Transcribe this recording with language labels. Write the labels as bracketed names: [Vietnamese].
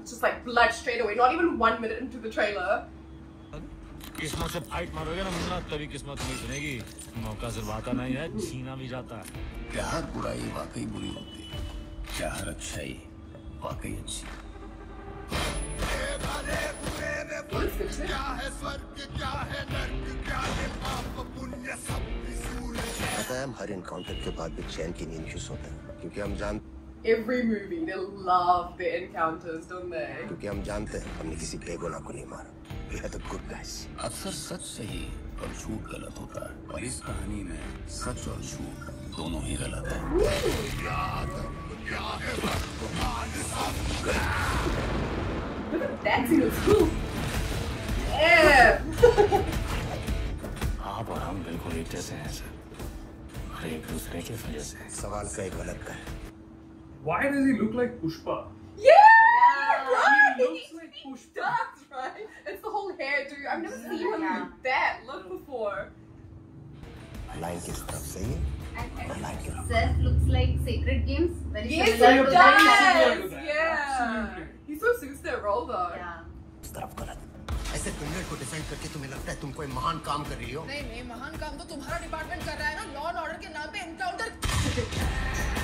[English] Just like blood straight away, not even 1 minute into the trailer. [Hindi] किस्मत से fight मारोगे ना मुन्ना, तभी किस्मत नहीं सुनेगी, मौका सिर्फ आता नहीं है, छीना भी जाता है। क्या हर बुराई वाकई बुरी होती है, क्या हर अच्छाई वाकई अच्छी। पता है हम हर एनकाउंटर के बाद भी चैन की नींद क्यों सोते हैं, क्योंकि हम जान [English] Every movie, they love the encounters, don't they? [Hindi] क्योंकि हम जानते हैं हमने किसी बेगुनाह को नहीं मारा। [English] We are the good guys. [Hindi] अक्सर सच सही और झूठ गलत होता है, और इस कहानी में सच और झूठ दोनों ही गलत है। आप और हम बिल्कुल एक जैसे हैं सर, और एक दूसरे की वजह से। सवाल का एक अलग का है। [English] Why does he look like Pushpa? Yeah, yeah, right. He looks like Pushpa. That's right. It's the whole hair, dude. I've never seen him like that look before. I like his stuff, see? I like your stuff. Seth looks like Sacred Games. Very yes, so he does. Yeah. Absolutely. He so suits their role, though. Yeah. Stop, Karat. [Hindi] ऐसे criminal को defend करके तुम्हें लगता है तुम कोई महान काम कर रही हो? नहीं नहीं, महान काम तो तुम्हारा डिपार्टमेंट कर रहा है ना, लॉ एंड ऑर्डर के नाम पे एनकाउंटर।